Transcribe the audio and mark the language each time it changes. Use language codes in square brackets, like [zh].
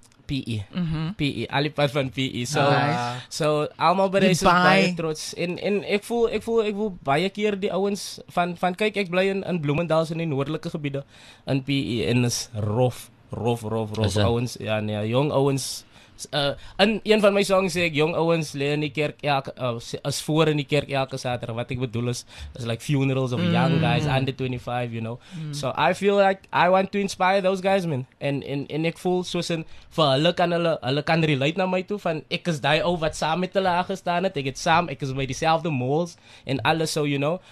[af] PE. Mm-hmm. PE, al die part van PE. So almal by huis is baie trots. En ek voel baie keer die ouens van kyk, ek bly in Bloemendaal in die noordelike gebiede in PE, en is rof ouens. Ja, nee, jong ouens. In een van my songs sê ek, jong ouens lê in die kerk is voor in die kerk elke Saterdag. Wat ek bedoel is [en] like funerals of young guys under 25, you know. Mm. So I feel like I want to inspire those guys, man. [af] And ek voel soos in, vir hulle kan relate na my toe, van ek is die ou wat saam met hulle aangestaan het. Ek het saam, ek is by dieselfde malls en alles, so you know.